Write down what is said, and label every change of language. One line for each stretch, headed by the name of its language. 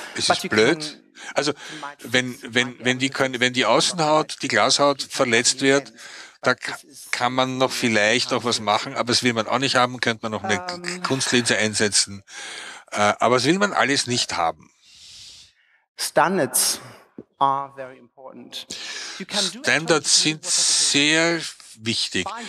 German: Es ist blöd. Also wenn die Außenhaut, die Glashaut verletzt wird, da kann man noch vielleicht noch was machen, aber das will man auch nicht haben, könnte man noch eine Kunstlinse einsetzen. Aber das will man alles nicht haben.
English: Standards are very important.
German: Standards sind sehr wichtig.